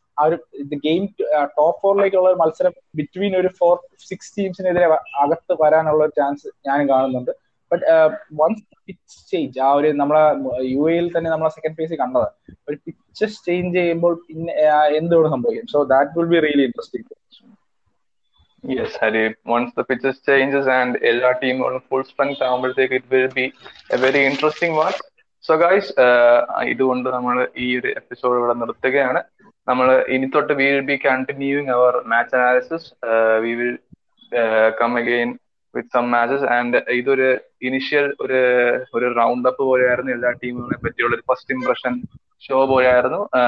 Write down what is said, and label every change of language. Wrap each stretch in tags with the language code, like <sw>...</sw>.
<ml>ആ ഒരു game top 4 മത്സരം ബിറ്റ്വീൻ ഒരു 4-6 ടീംസിനെതിരെ അകത്ത് വരാനുള്ള ഒരു ചാൻസ് ഞാനും കാണുന്നുണ്ട്.</ml> <en>but once pitch change,</en> <ml>ആ ഒരു നമ്മളെ യു എയിൽ തന്നെ നമ്മളെ സെക്കൻഡ് ഫേസ് കണ്ടത്, ഒരു പിച്ചസ് ചേഞ്ച് ചെയ്യുമ്പോൾ പിന്നെ എന്തുകൊണ്ട് സംഭവിക്കും.</ml> <en>So that will be really interesting. Yes, Harry. Once the pitches changes and LR team on full strength, it will be a very interesting one. So guys,</en> <ml>ഇതുകൊണ്ട് നമ്മൾ ഈ ഒരു എപ്പിസോഡ് ഇവിടെ നിർത്തുകയാണ്. നമ്മൾ ഇനി തൊട്ട്</ml> <en>We will be continuing our match analysis. We will come again with some matches.</en> <ml>And ഇതൊരു ഇനിഷ്യൽ ഒരു ഒരു റൗണ്ട് അപ്പ് പോലെയായിരുന്നു, എല്ലാ ടീമുകളെ പറ്റിയുള്ള ഒരു ഫസ്റ്റ് ഇംപ്രഷൻ ഷോ പോലെയായിരുന്നു.</ml>